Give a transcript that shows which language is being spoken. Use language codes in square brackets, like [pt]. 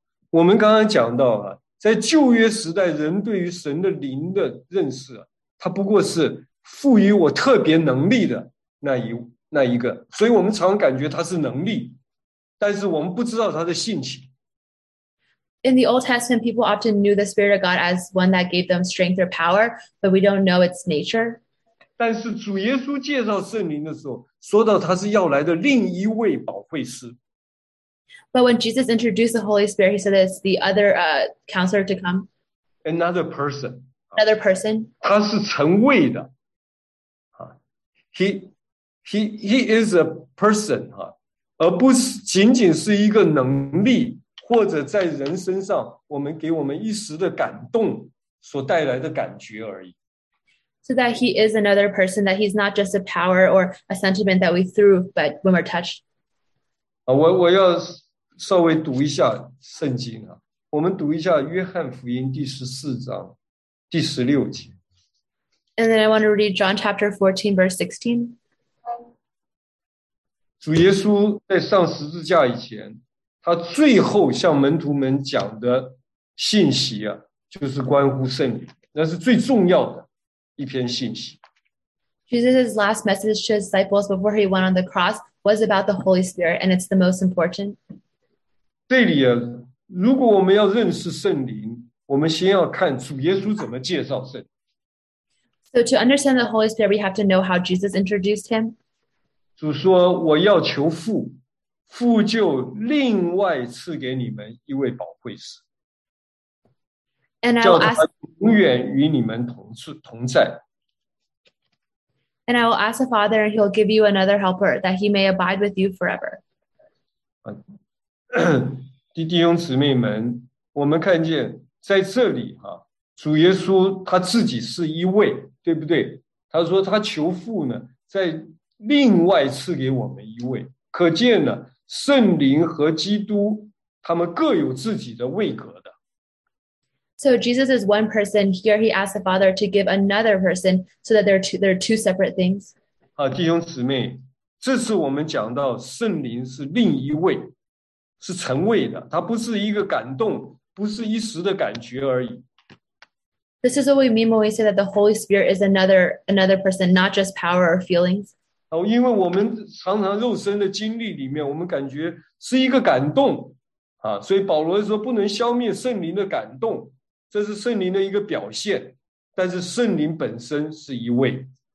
[zh] 我们刚刚讲到啊，在旧约时代，人对于神的灵的认识啊，它不过是赋予我特别能力的那一个，所以我们常感觉它是能力，但是我们不知道它的性情。 [en] In the Old Testament, people often knew the Spirit of God as one that gave them strength or power, but we don't know its nature. [zh] 但是主耶稣介绍圣灵的时候，说到他是要来的另一位保惠师。 [en] But when Jesus introduced the Holy Spirit, he said it's the other counselor to come. Another person. Another person. [zh] 他是成位的。 [en] He is a person, [zh] 而不是仅仅是一个能力。或者在人身上，我们给我们一时的感动所带来的感觉而已。 [en] So that he is another person, that he's not just a power or a sentiment that we threw, but when we're touched. [zh] 我要稍微读一下圣经啊，我们读一下约翰福音第十四章第十六节。 [en] And then I want to read John chapter 14, verse 16. [zh] 主耶稣在上十字架以前，他最后向门徒们讲的信息啊，就是关乎圣灵，那是最重要的一篇信息。 [en] Jesus' last message to his disciples before he went on the cross was about the Holy Spirit, and it's the most important. [zh] 这里啊，如果我们要认识圣灵，我们先要看主耶稣怎么介绍圣灵。 [en] So to understand the Holy Spirit, we have to know how Jesus introduced him. [zh] 主说，我要求父。父就另外赐给你们一位保惠师，叫他永远与你们同在。 [en] And I will ask the Father, and he'll give you another helper, that he may abide with you forever. [zh] 弟兄姊妹们，我们看见在这里啊，主耶稣他自己是一位，对不对？他说他求父呢，在另外赐给我们一位，可见呢。圣灵和基督，他们各有自己的位格的。 [en] So Jesus is one person. Here he asked the Father to give another person, so that there are two separate things. [zh] 好，弟兄姊妹，这次我们讲到圣灵是另一位，是成位的，它不是一个感动，不是一时的感觉而已。 [en] This is what we mean when we say that the Holy Spirit is another person, not just power or feelings. [zh] 因为我们常常肉身的经历里面，我们感觉是一个感动啊，所以保罗说不能消灭圣灵的感动，这是圣灵的一个表现，但是圣灵本身是一位。